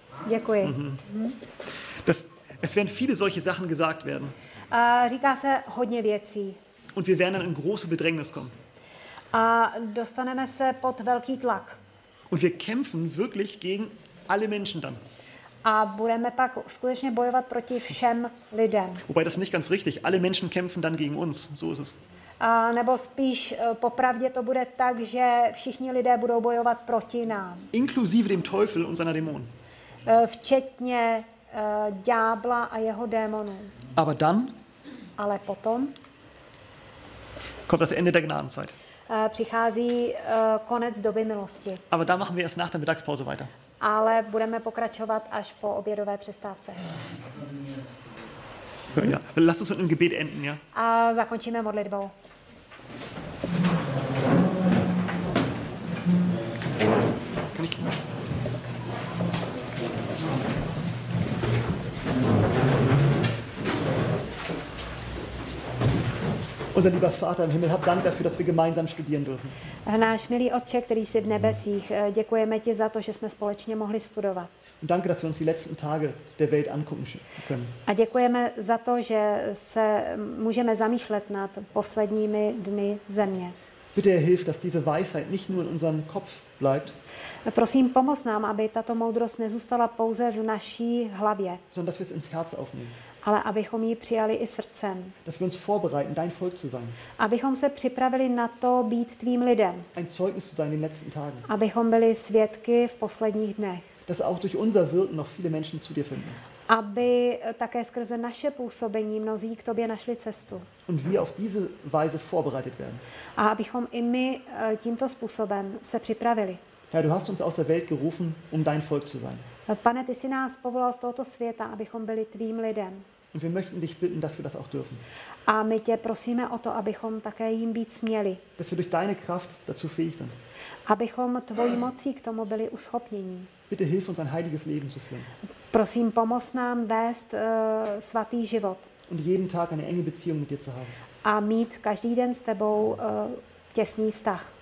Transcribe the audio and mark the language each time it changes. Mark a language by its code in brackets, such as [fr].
[cs] Děkuji. Mhm. [de] Es werden viele solche Sachen gesagt werden. [cs] Říká se hodně věcí. [de] Und wir werden dann in große Bedrängnis kommen. [cs] A dostaneme se pod velký tlak. [de] Und wir kämpfen wirklich gegen alle Menschen dann. [cs] A budeme pak skutečně bojovat proti všem lidem. [de] Wobei das nicht ganz richtig. Alle Menschen kämpfen dann gegen uns. So ist es. [cs] Nebo spíš popravdě to bude tak, že všichni lidé budou bojovat proti nám. [de] Inklusive dem Teufel und seiner Dämonen. [cs] Včetně ďábla a jeho démonů. [de] Aber dann? [cs] Ale potom? [de] Kommt das Ende der Gnadenzeit. [cs] Přichází konec doby milosti. [de] Aber dann machen wir erst nach der Mittagspause weiter. [cs] Ale budeme pokračovat až po obědové přestávce. [de] Ja, lass uns mit dem Gebet enden, ja? [cs] A zakončíme modlitbou. [de] Unser lieber Vater im Himmel, hab Dank dafür, dass wir gemeinsam studieren dürfen. [cs] Náš milý Otče, který jsi v nebesích, děkujeme ti za to, že jsme společně mohli studovat. [de] Und danke, dass wir uns die letzten Tage der Welt angucken können. [cs] A děkujeme za to, že se můžeme zamýšlet nad posledními dny země. [de] Bitte hilf, dass diese Weisheit nicht nur in unserem Kopf bleibt. [cs] Prosím, pomoz nám, aby tato moudrost nezůstala pouze v naší hlavě. [de] Sondern dass wir es ins Herz aufnehmen. [cs] Ale abychom ji přijali i srdcem. [de] Dass wir uns vorbereiten, dein Volk zu sein. [cs] Abychom se připravili na to být tvým lidem. [de] Ein Zeugnis zu sein in den letzten Tagen. [cs] Abychom byli svědky v posledních dnech. [de] Dass auch durch unser Wirken noch viele Menschen zu dir finden. [cs] Aby také skrze naše působení mnozí k tobě našli cestu. [de] Und wir auf diese Weise vorbereitet werden. [cs] A abychom i my tímto způsobem se připravili. [de] Herr, du hast uns aus der Welt gerufen, um dein Volk zu sein. [cs] Pane, ty jsi nás povolal z tohoto světa, abychom byli tvým lidem. [de] Und wir möchten dich bitten, dass wir das auch dürfen. [cs] A my tě prosíme o to, abychom také jim být směli. [de] Dass wir durch deine Kraft dazu fähig sind. [cs] Abychom tvojí mocí k tomu byli uschopnění. [de] Bitte hilf uns, ein heiliges Leben zu führen. [cs] Prosím, pomoz nám vést svatý život. [de] Und jeden Tag eine enge Beziehung mit dir zu haben. [cs] A mít každý den s tebou těsný vztah.